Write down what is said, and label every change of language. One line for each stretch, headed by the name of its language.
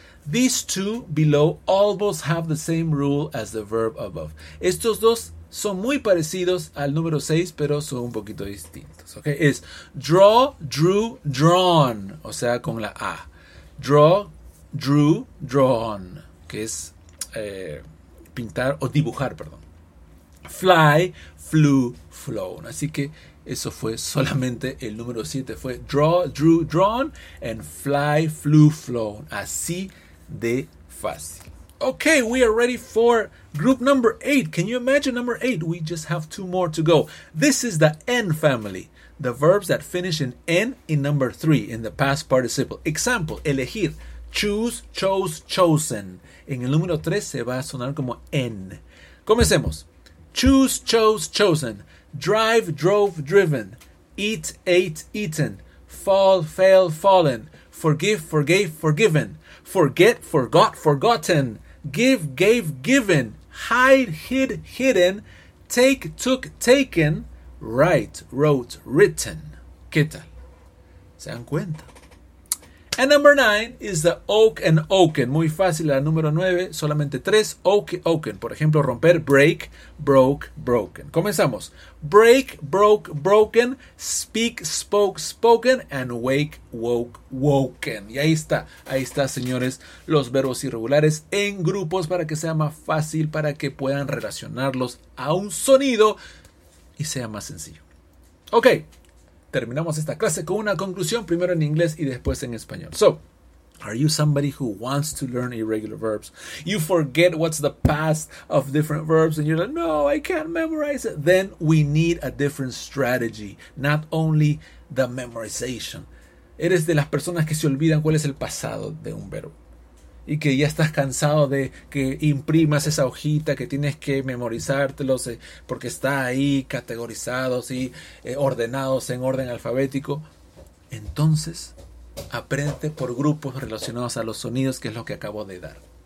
English: These two below almost have the same rule as the verb above.
Spanish: Estos dos son muy parecidos al número 6, pero son un poquito distintos, ¿ok? Es
English: draw, drew, drawn,
Spanish: o sea, con la A.
English: Draw, drew, drawn,
Spanish: que es pintar o dibujar, perdón.
English: Fly, flew, flown.
Spanish: Así que eso fue solamente el número 7. Fue
English: draw, drew, drawn, and fly, flew, flown.
Spanish: Así de fácil.
English: Okay, we are ready for group number 8. Can you imagine number 8? We just have 2 more to go. This is the N family. The verbs that finish in N in number 3 in the past participle. Example, elegir. Choose, chose, chosen.
Spanish: En el número 3 se va a sonar como N. Comencemos.
English: Choose, chose, chosen. Drive, drove, driven. Eat, ate, eaten. Fall, fail, fallen. Forgive, forgave, forgiven. Forget, forgot, forgotten. Give, gave, given. Hide, hid, hidden. Take, took, taken. Write, wrote, written.
Spanish: ¿Qué tal? ¿Se dan cuenta?
English: And number 9 is the oak and oaken.
Spanish: Muy fácil, la número 9, solamente 3,
English: oak, oaken.
Spanish: Por ejemplo, romper,
English: break, broke, broken.
Spanish: Comenzamos.
English: Break, broke, broken, speak, spoke, spoken, and wake, woke, woken.
Spanish: Y ahí está, señores, los verbos irregulares en grupos para que sea más fácil, para que puedan relacionarlos a un sonido y sea más sencillo. Ok. Terminamos esta clase con una conclusión, primero en inglés y después en español.
English: So, are you somebody who wants to learn irregular verbs? You forget what's the past of different verbs and you're like, no, I can't memorize it. Then we need a different strategy, not only the memorization.
Spanish: Eres de las personas que se olvidan cuál es el pasado de un verbo. Y que ya estás cansado de que imprimas esa hojita, que tienes que memorizártelos porque está ahí categorizados y ordenados en orden alfabético. Entonces, aprende por grupos relacionados a los sonidos, que es lo que acabo de dar.